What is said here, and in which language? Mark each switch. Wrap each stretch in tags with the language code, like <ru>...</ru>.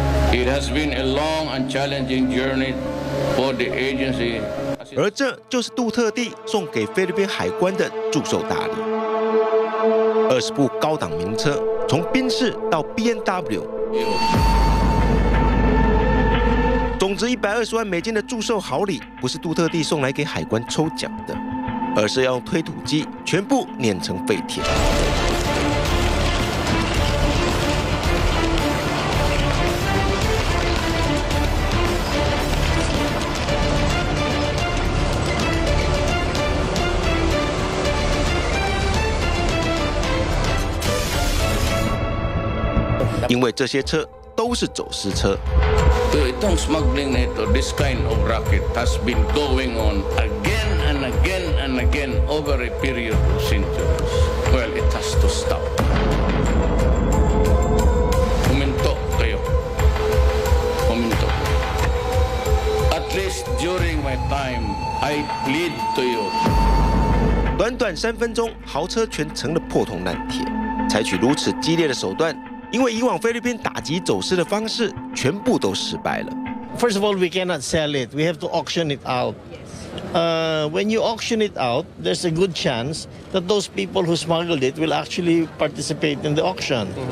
<en>It has been a long and challenging journey for the agency.</en> <zh>而这就是杜特地送给菲律宾海关的祝寿大礼。20部高档名车，从宾士到BMW。值120万美金的祝寿好礼，不是杜特地送来给海关抽奖的，而是要用推土机全部碾成废铁。因为这些车都是走私车。</zh> <en>The ethan smuggling net or this kind of racket has been going on again and again and again over a period of centuries. Well, it has to stop.</en> <tl>Huminto kayo. Huminto.</tl> <en>At least during my time, I plead to you.</en> <zh>短短3分钟，豪车全成了破铜烂铁。采取如此激烈的手段，因为以往菲律宾打击走私的方式全部都失败了。</zh> <en>First of all, we cannot sell it. We have to auction it out. When you auction it out, there's a good chance that those people who smuggled it will actually participate in the auction.</en>